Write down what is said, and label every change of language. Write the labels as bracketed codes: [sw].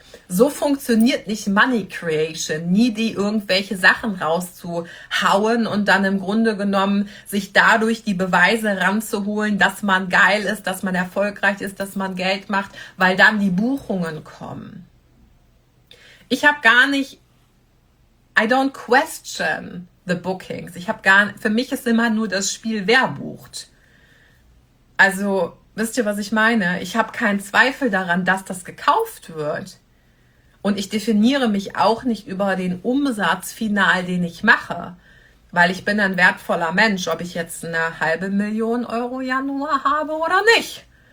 [de] So funktioniert nicht Money Creation, nie die irgendwelche Sachen rauszuhauen und dann im Grunde genommen sich dadurch die Beweise ranzuholen, dass man geil ist, dass man erfolgreich ist, dass man Geld macht, weil dann die Buchungen kommen. [en] I don't question the bookings. [de] Für mich ist immer nur das Spiel, wer bucht. Also, wisst ihr, was ich meine? Ich habe keinen Zweifel daran, dass das gekauft wird. Und ich definiere mich auch nicht über den Umsatz final, den ich mache. Weil ich bin ein wertvoller Mensch, ob ich jetzt eine 500.000 Euro Januar habe oder nicht.